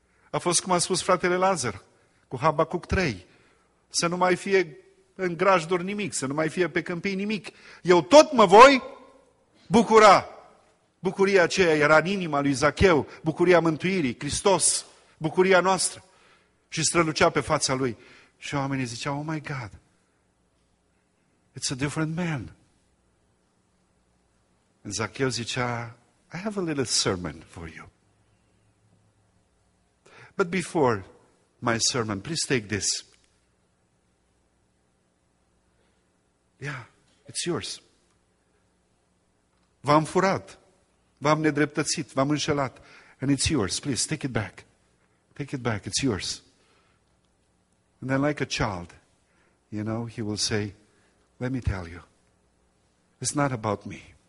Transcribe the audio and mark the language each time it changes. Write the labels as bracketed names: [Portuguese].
[Romanian] A fost cum a spus fratele Lazar, cu Habacuc 3. Să nu mai fie în grajduri nimic, să nu mai fie pe câmpii nimic. Eu tot mă voi bucura. Bucuria aceea era în inima lui Zacheu, bucuria mântuirii, Hristos, bucuria noastră. Și strălucea pe fața lui. Și oamenii ziceau, [English] oh my God, it's a different man. And Zacheu [Romanian] zicea, [English] I have a little sermon for you. But before my sermon, please take this. Yeah, it's yours. [Romanian] V-am furat, v-am nedreptățit, v-am înșelat. [English] And it's yours, please, take it back. Take it back, it's yours. And then like a child, you know, he will say, let me tell you, it's not about me.